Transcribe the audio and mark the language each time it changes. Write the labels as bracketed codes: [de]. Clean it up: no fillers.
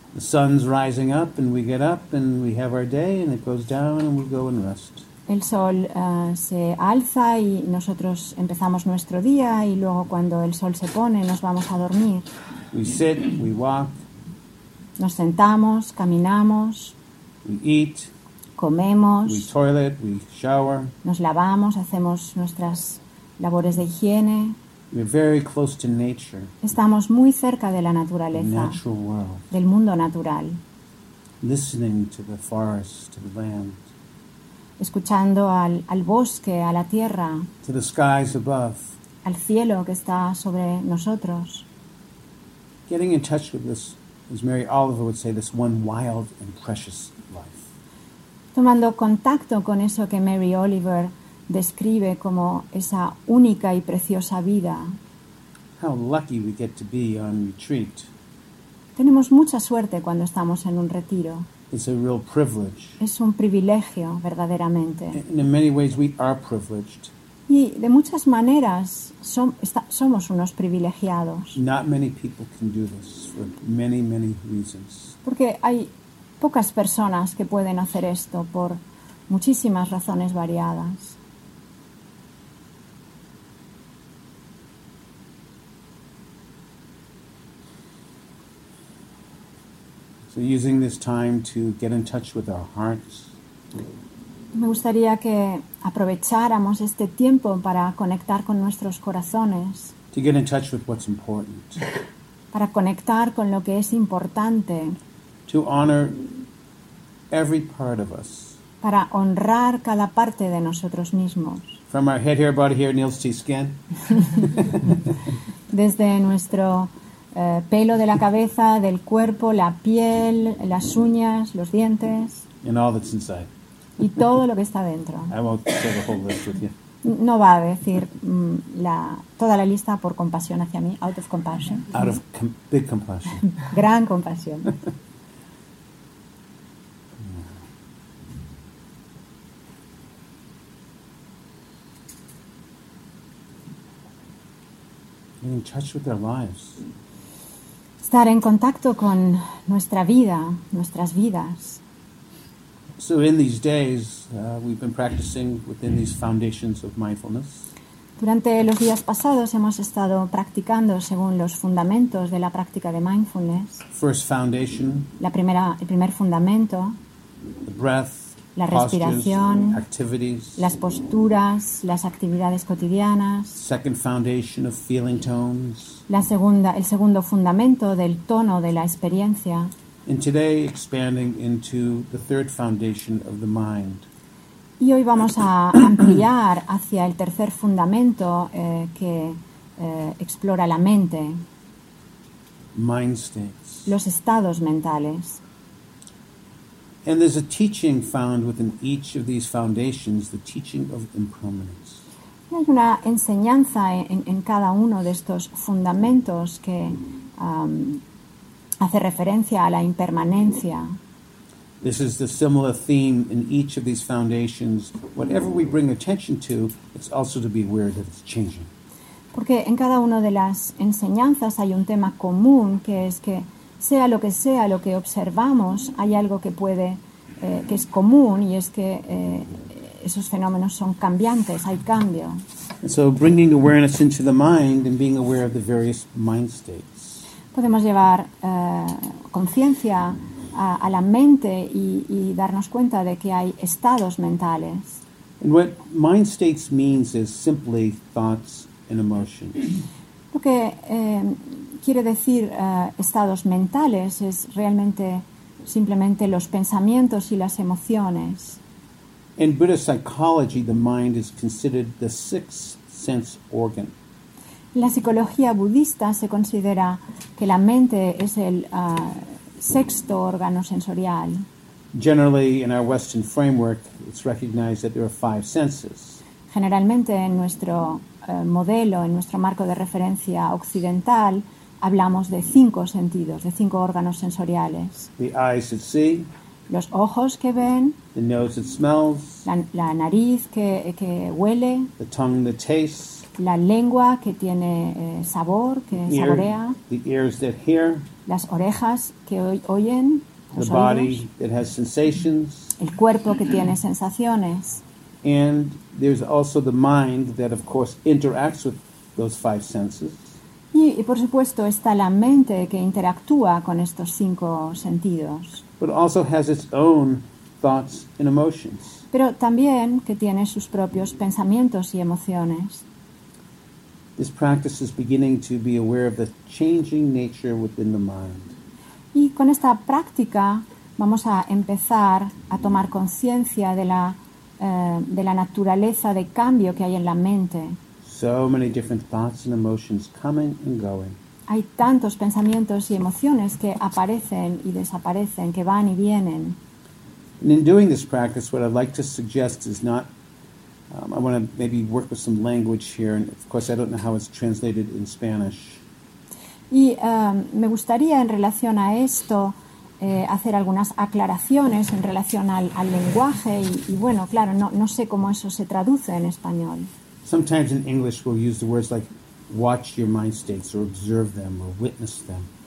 [en] The sun's rising up and we get up and we have our day and it goes down and we go and rest. [es] El sol se alza y nosotros empezamos nuestro día y luego cuando el sol se pone nos vamos a dormir. [en] We sit, we walk. [es] Nos sentamos, caminamos. [en] We eat. [es] Comemos. [en] We toilet, we shower. [es] Nos lavamos, hacemos nuestras labores de higiene. [en] We're very close to nature. [es] Estamos muy cerca de la naturaleza. [en] The natural world. [es] Del mundo natural. [en] Listening to the forest, to the land. [es] Escuchando al bosque, a la tierra, [en] to the skies above, [es] al cielo que está sobre nosotros. [en] Getting in touch with this, as Mary Oliver would say, this one wild and precious life. [es] Tomando contacto con eso que Mary Oliver describe como esa única y preciosa vida. [en] How lucky we get to be on retreat. [es] Tenemos mucha suerte cuando estamos en un retiro. [en] It's a real privilege. [es] Es un privilegio, verdaderamente. [en] And in many ways, we are privileged. [es] Y de muchas maneras, somos unos privilegiados. [en] Not many people can do this for many, many reasons. [es] Porque hay pocas personas que pueden hacer esto por muchísimas razones variadas. [en] So using this time to get in touch with our hearts. [es] Me gustaría que aprovecháramos este tiempo para conectar con nuestros corazones. [en] To get in touch with what's important. [es] Para conectar con lo que es importante. [en] To honor every part of us. [es] Para honrar cada parte de nosotros mismos. [en] From our head, hair, body, hair, nails, teeth, skin. [es] Desde nuestro pelo de la cabeza, del cuerpo, la piel, las uñas, los dientes. [en] And all that's inside. [es] Y todo lo que está dentro. [en] I won't say the whole list with you. [es] No va a decir toda la lista por compasión hacia mí. [en] Out of compassion. Out of big compassion. [es] Gran compasión. [en] In touch with their lives. [es] Estar en contacto con nuestra vida, nuestras vidas. [en] So in these days, we've been practicing within these foundations of mindfulness. [es] Durante los días pasados hemos estado practicando según los fundamentos de la práctica de mindfulness. [en] First foundation. [es] El primer fundamento. [en] The breath. [es] la respiración, las posturas, las actividades cotidianas. [en] Second foundation of feeling tones. [es] El segundo fundamento del tono de la experiencia. [en] And today expanding into the third foundation of the mind. [es] Y hoy vamos a ampliar hacia el tercer fundamento que explora la mente. [en] Mind states. [es] Los estados mentales. [en] And there's a teaching found within each of these foundations, the teaching of impermanence. [es] Y hay una enseñanza en cada uno de estos fundamentos que hace referencia a la impermanencia. [en] This is the similar theme in each of these foundations. Whatever we bring attention to, it's also to be aware that it's changing. [es] Porque en cada una de las enseñanzas hay un tema común, que es que sea lo que observamos, hay algo que puede, que es común, y es que esos fenómenos son cambiantes, hay cambio. [en] And so bringing awareness into the mind and being aware of the various mind states. [es] Podemos llevar conciencia a la mente y darnos cuenta de que hay estados mentales. [en] And what mind states means is simply thoughts and emotions. [es] Lo que quiere decir estados mentales es realmente simplemente los pensamientos y las emociones. [en] In Buddhist psychology, the mind is considered the sixth sense organ. [es] La psicología budista se considera que la mente es el sexto órgano sensorial. [en] Generally, in our Western framework, it's recognized that there are five senses. [es] Generalmente, en nuestro modelo, en nuestro marco de referencia occidental, hablamos de cinco sentidos, de cinco órganos sensoriales. [en] The eyes that see. [es] Los ojos que ven. [en] The nose that smells. [es] La nariz que huele. [en] The tongue that tastes. [es] La lengua que tiene sabor, que [en] the ear, [es] saborea. [en] The ears that hear. [es] Las orejas que oyen. [en] The [es] los [en] body [es] oídos. [en] That has sensations. [es] El cuerpo que tiene sensaciones. [en] And there's also the mind that, of course, interacts with those five senses. [es] Y por supuesto, está la mente que interactúa con estos cinco sentidos. [en] But also has its own thoughts and emotions. [es] Pero también que tiene sus propios pensamientos y emociones. [en] This practice is beginning to be aware of the changing nature within the mind. [es] Y con esta práctica vamos a empezar a tomar conciencia de la naturaleza de cambio que hay en la mente. [en] So many different thoughts and emotions coming and going. [es] Hay tantos pensamientos y emociones que aparecen y desaparecen, que van y vienen. [en] And in doing this practice, what I'd like to suggest is not I want to maybe work with some language here, and of course I don't know how it's translated in Spanish. [es] Y me gustaría en relación a esto hacer algunas aclaraciones en relación al lenguaje y bueno, claro, no sé cómo eso se traduce en español. [en] Sometimes in English we'll use the words like watch your mind states or observe them or witness them.